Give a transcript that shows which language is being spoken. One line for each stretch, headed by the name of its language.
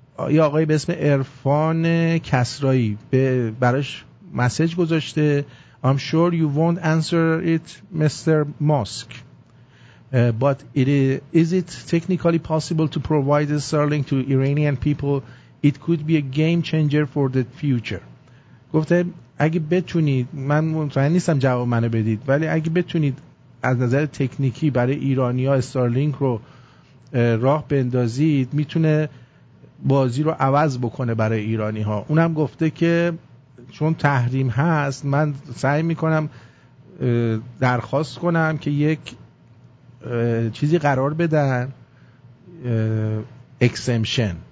Persian: یه آقای به اسم عرفان کسرایی براش مسیج گذاشته.
English: I'm sure you won't answer it Mr. Musk, but is it technically possible to provide a Starlink to Iranian people? It could be a game changer for the future.
Persian: گفته اگه بتونید، من مطمئن نیستم جواب منو بدید، ولی اگه بتونید از نظر تکنیکی برای ایرانی ها استارلینک رو راه بندازید میتونه بازی رو عوض بکنه برای ایرانی ها. اونم گفته که چون تحریم هست من سعی میکنم درخواست کنم که یک چیزی قرار بدن، اکسمشن.